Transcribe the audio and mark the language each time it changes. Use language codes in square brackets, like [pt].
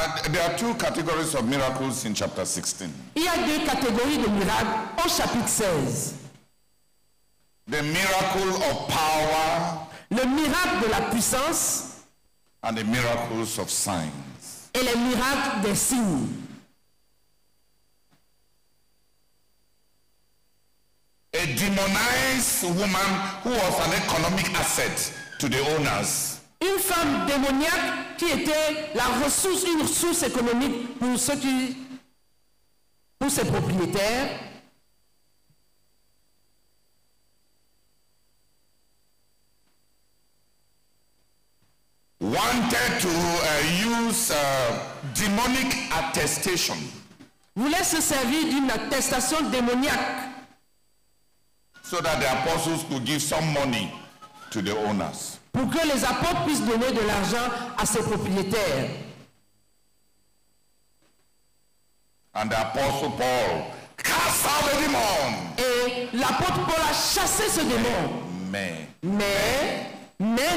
[en] There are two categories of miracles in chapter 16. [fr] Il y a deux catégories de miracles au chapitre 16. [en] The miracle of power. [fr] Le miracle de la puissance. [en] And the miracles of signs. [fr] Et les miracles des signes. [en] A demonized woman who was an economic asset to the owners. [fr] Une femme démoniaque qui était la ressource, une ressource économique pour ceux qui, pour ses propriétaires. [en] Wanted to use demonic attestation. [fr] Voulait se servir d'une attestation démoniaque. [en] So that the apostles could give some money to the owners. [fr] Pour que les apôtres puissent donner de l'argent à ses propriétaires. [en] And the apostle Paul cast out the demon. [fr] Et l'apôtre Paul a chassé ce démon. Mais